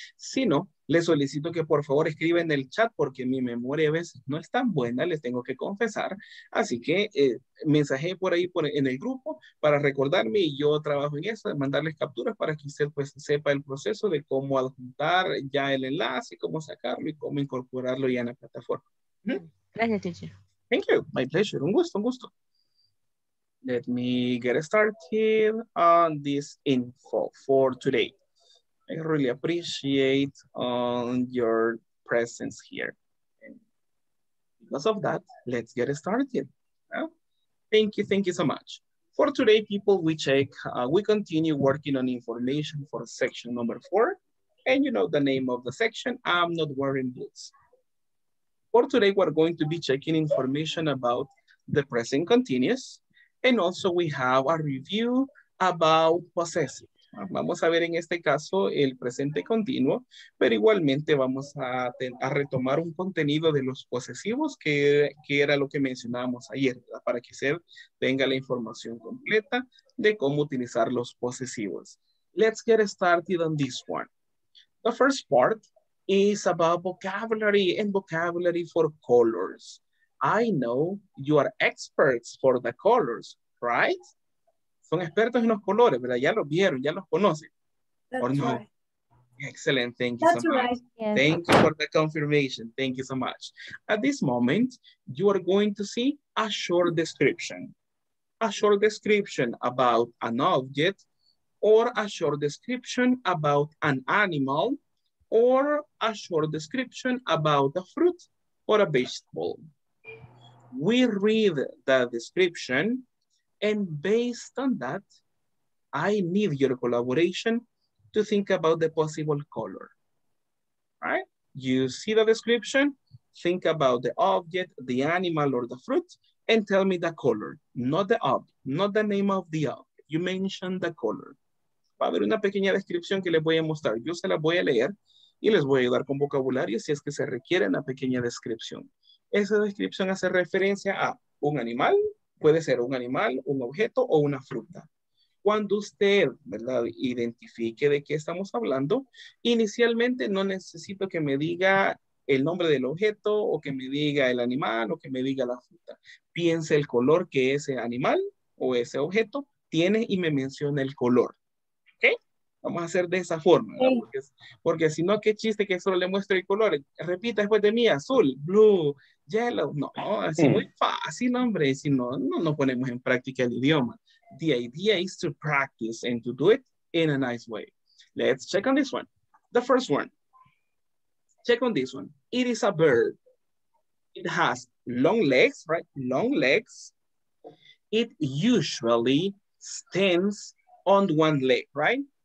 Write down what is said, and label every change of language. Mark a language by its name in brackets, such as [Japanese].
[Spanish] Si no, le solicito que por favor escriba en el chat porque mi memoria a veces no es tan buena, les tengo que confesar. Así que mensaje por ahí en el grupo para recordarme y yo trabajo en eso, de mandarles capturas para que usted pues sepa el proceso de cómo adjuntar ya el enlace, cómo sacarlo y cómo incorporarlo ya en la plataforma. Gracias, teacher. [English] Thank you, my pleasure, [Spanish] un gusto, un gusto. [English] Let me get started on this info for today. I really appreciate your presence here. Because of that, let's get started. Thank you so much. For today, people, we continue working on information for section number 4. And you know the name of the section, I'm not wearing boots. For today, we're going to be checking information about the present continuous. And also we have a review about possessive. [Spanish] Vamos a ver en este caso el presente continuo, pero igualmente vamos a retomar un contenido de los posesivos que era lo que mencionábamos ayer, ¿verdad? Para que usted tenga la información completa de cómo utilizar los posesivos. [English] Let's get started on this one. The first part is about vocabulary and vocabulary for colors. I know you are experts for the colors, right? [Spanish] Son expertos en los colores, ¿verdad? Ya los vieron, ya los conocen. ¿O [English] That's [Spanish] no? [English] right. Excellent, thank you so That's much. right. Yes. Thank you for the confirmation. Thank you so much. At this moment, you are going to see a short description. a short description about an object, or a short description about an animal, or a short description about a fruit or a vegetable. We read the description, and based on that, I need your collaboration to think about the possible color, right? You see the description, think about the object, the animal, or the fruit, and tell me the color, not the object, not the name of the object. You mention the color. [Spanish] Va a haber una pequeña descripción que les voy a mostrar. Yo se la voy a leer y les voy a ayudar con vocabulario si es que se requiere una pequeña descripción. Esa descripción hace referencia a un animal, puede ser un animal, un objeto o una fruta. Cuando usted, ¿verdad?, identifique de qué estamos hablando, inicialmente no necesito que me diga el nombre del objeto o que me diga el animal o que me diga la fruta. Piense el color que ese animal o ese objeto tiene y me mencione el color. Vamos a hacer de esa forma, ¿no? Porque si no, qué chiste que solo le muestre el color. Repita después de mí, azul, blue, yellow. No, así muy fácil, hombre. Si no, no ponemos en práctica el idioma. [English] The idea is to practice and to do it in a nice way. Let's check on this one. The first one. Check on this one. It is a bird. It has long legs, right? Long legs. It usually stands on one leg, right?